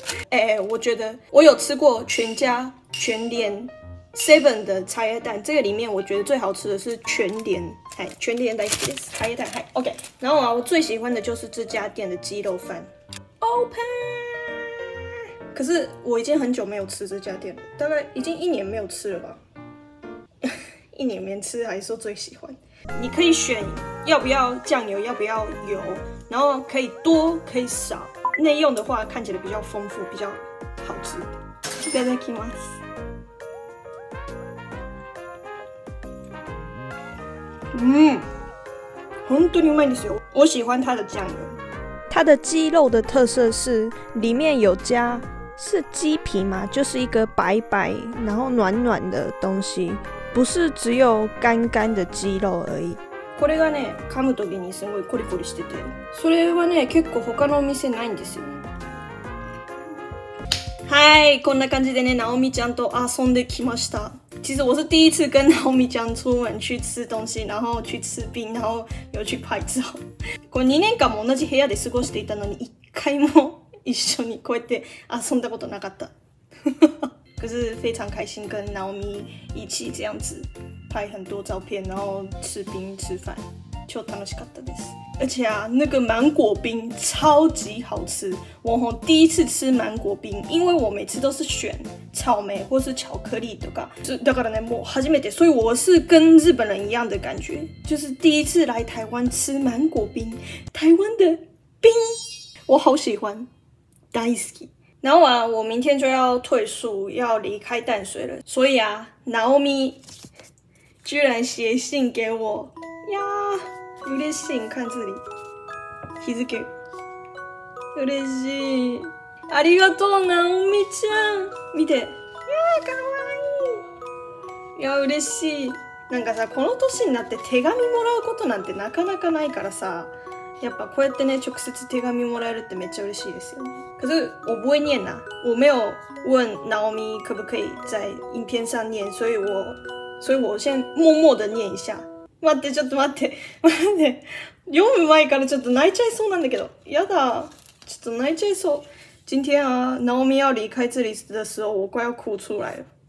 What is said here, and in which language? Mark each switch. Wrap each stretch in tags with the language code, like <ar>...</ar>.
<zh>哎，我觉得我有吃过全家、全联、Seven 的茶叶蛋，这个里面我觉得最好吃的是全联。嗨，全联的茶叶蛋，嗨，OK。然后啊，我最喜欢的就是这家店的鸡肉饭，Open。可是我已经很久没有吃这家店了，大概已经一年没有吃了吧。一年没吃，还是说最喜欢？你可以选要不要酱油，要不要油，然后可以多，可以少。内用的话看起来比较丰富，比较好吃。</zh> <ja>いただきます。本当にうまいんですよ。</ja> <zh>我喜欢它的酱油。它的鸡肉的特色是里面有加，是鸡皮吗？就是一个白白，然后暖暖的东西，不是只有干干的鸡肉而已。</zh> <ja>これがね、噛むときにすごいコリコリしてて、それはね、結構他のお店ないんですよ。はい、こんな感じでね、ナオミちゃんと遊んできました。</ja> <zh>其实我是第一次跟ナオミちゃん出门去吃东西，然后去吃冰，然后又去拍照。</zh> <ja>これ2年間も同じ部屋で過ごしていたのに、一回も一緒にこうやって遊んだことなかった。</ja> <zh>可是非常开心跟ナオミ一起这样子拍很多照片，然后吃冰吃饭，</zh> <ja>超楽しかったです。</ja> <zh>而且啊，那个芒果冰超级好吃。我吼第一次吃芒果冰，因为我每次都是选草莓或是巧克力的噶，就</zh> <ja>だからね、もう初めて，</ja> <zh>所以我是跟日本人一样的感觉，就是第一次来台湾吃芒果冰，台湾的冰，我好喜欢，</zh> <ja>大好き。</ja> <zh>然后啊，我明天就要退宿，要离开淡水了，所以啊，Naomi 居然写信给我呀。</zh> <ja>嬉しい。</ja> <zh>看这里。</zh> <ja>日付。嬉しい。ありがとう、ナオミちゃん。見て。いやー、かわいい。いや、嬉しい。なんかさ、この年になって手紙もらうことなんてなかなかないからさ、やっぱこうやってね、直接手紙もらえるってめっちゃ嬉しいですよね。</ja> <zh>可是、我不会念啦。我没有问ナオミ可不可以在影片上念、所以我先默默的念一下。</zh> <ja>待って、ちょっと待って、待って、読む前からちょっと泣いちゃいそうなんだけど、やだ、ちょっと泣いちゃいそう。</ja> <zh>今天啊、ナオミ要离开这里的时候、我快要哭出来了。</zh>